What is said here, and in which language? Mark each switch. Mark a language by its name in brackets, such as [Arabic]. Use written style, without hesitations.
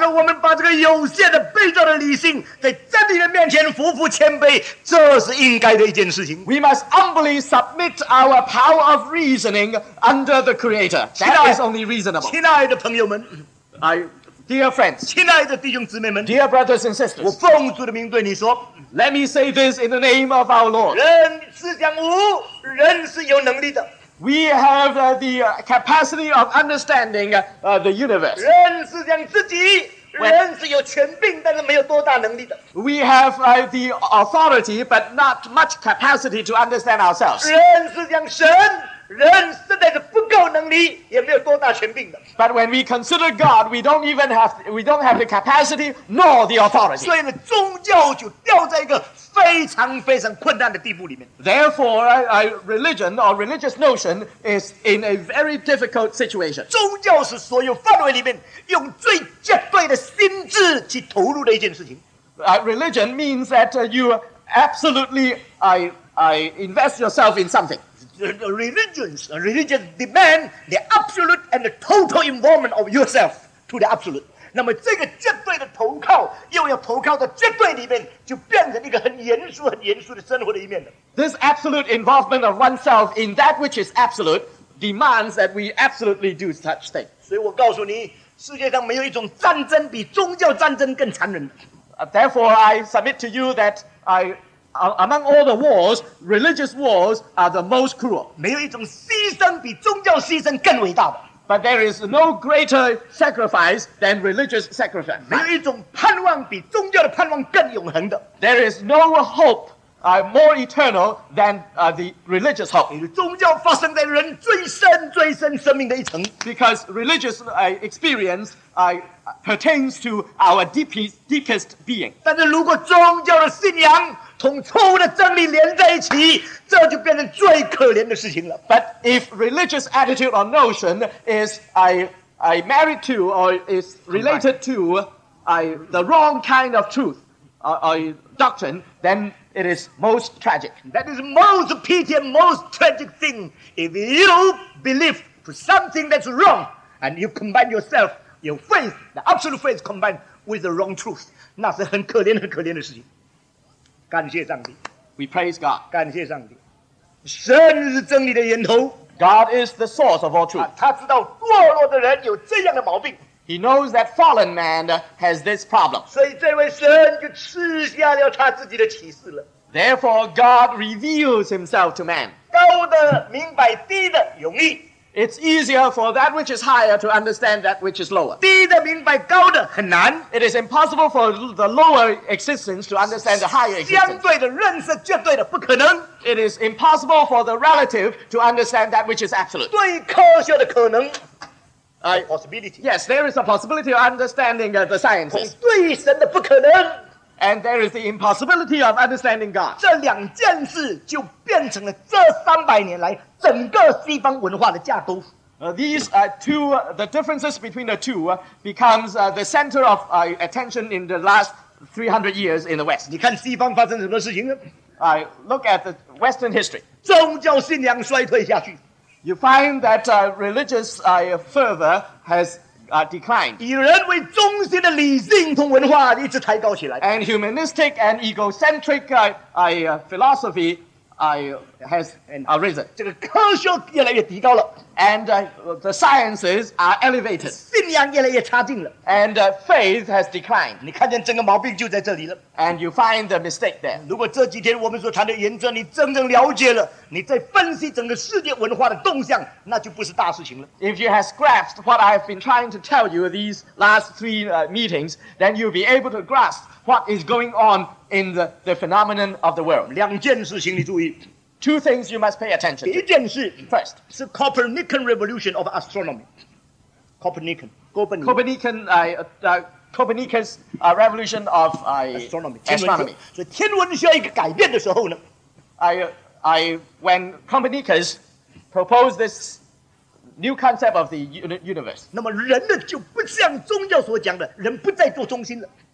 [Chinese] 然后我们把这个有限的被造的理性在真理的面前匍匐谦卑，这是应该的一件事情。 [English] We must humbly submit our power of reasoning under the Creator. That is only reasonable. [Chinese] 亲爱的朋友们， [English] Dear friends, [Chinese] 亲爱的弟兄姊妹们， [English] Dear brothers and sisters, [Chinese] 我奉主的名对你说， [English] Let me say this in the name of our Lord. [Chinese] 人是讲无，人是有能力的。 [English] We have the capacity of understanding the universe. [Chinese] 人是讲自己， [English] When, [Chinese] 人是有权柄，但是没有多大能力的。 [English] We have the authority, but not much capacity to understand ourselves. [Chinese] 人是讲神。人实在是不够能力，也没有多大权柄的。 [English] But when we consider God, we don't have the capacity nor the authority. [Chinese] 所以呢，宗教就掉在一个非常非常困难的地步里面。 [English] Therefore, religion or religious notion is in a very difficult situation. [Chinese] 宗教是所有范围里面用最绝对的心智去投入的一件事情。 [English] Religion means that you absolutely invest yourself in something. Religions demand the absolute and the total involvement of yourself to the absolute. [Chinese] 那么这个绝对的投靠，又要投靠到绝对里面，就变成一个很严肃、很严肃的生活的一面了。 [English] This absolute involvement of oneself in that which is absolute demands that we absolutely do such things. [Chinese] 所以我告诉你，世界上没有一种战争比宗教战争更残忍。 [English] Therefore, I submit to you that Among all the wars, religious wars are the most cruel. [Chinese] 没有一种牺牲比宗教牺牲更伟大的。 [English] But there is no greater sacrifice than religious sacrifice. [Chinese] 没有一种盼望比宗教的盼望更永恒的。 [English] There is no hope more eternal than the religious hope. [Chinese] 宗教发生在人最深最深生命的一层。 [English] Because religious experience pertains to our deepest being. [Chinese] 但是如果宗教的信仰同错误的真理连在一起，这就变成最可怜的事情了。 [English] But if religious attitude or notion is I married to or is related to the wrong kind of truth or doctrine, then it is most tragic. That is most pity and most tragic thing. If you believe to something that's wrong and you combine yourself, your faith, the absolute faith combined with the wrong truth, [Chinese] 那是很可怜很可怜的事情。感谢上帝。 [English] We praise God. [Chinese] 感谢上帝。神是真理的源头。 [English] God is the source of all truth. [Chinese] 他知道堕落的人有这样的毛病。 [English] He knows that fallen man has this problem. [Chinese] 所以这位神就赐下了他自己的启示了。 [English] Therefore, God reveals himself to man. [Chinese] 高的明白，低的容易。 [English] It's easier for that which is higher to understand that which is lower. [Chinese] 低的明白高的很难。 [English] It is impossible for the lower existence to understand the higher existence. [Chinese] 相对的认识绝对的不可能。 [English] It is impossible for the relative to understand that which is absolute. [Chinese] 对科学的可能。 [English] Possibility. Yes, there is a possibility of understanding the sciences. [Chinese] 对神的不可能。 [English] And there is the impossibility of understanding God. [Chinese] 这两件事就变成了这三百年来整个西方文化的架构。 [English] These two, the differences between the two becomes the center of attention in the last 300 years in the West. [Chinese] 你看西方发生什么事情呢？ [English] Look at the Western history. [Chinese] 宗教信仰衰退下去。 [English] You find that religious fervor has declined. [Chinese] 以人为中心的理性同文化一直抬高起来。 [English] And humanistic and egocentric philosophy has arisen. [Chinese] 这个科学越来越提高了。 [English] And the sciences are elevated. [Chinese] 信仰越来越差劲了。 [English] And faith has declined. [Chinese] 你看见整个毛病就在这里了。 [English] And you find the mistake there. [Chinese] 如果这几天我们所谈的原则你真正了解了，你再分析整个世界文化的动向，那就不是大事情了。 [English] If you have grasped what I've been trying to tell you these last three meetings, then you'll be able to grasp what is going on in the phenomenon of the world. [Chinese] 两件事情你注意。 [English] Two things you must pay attention to. [Chinese] 第一件事 [English] First, is the Copernican revolution of astronomy. Copernican. Copernican's revolution of astronomy. [Chinese] 所以天文需要一个改变的时候呢 [English] when Copernicus proposed this new concept of the universe, [Chinese] 那么人呢就不像宗教所讲的，人不再做中心了。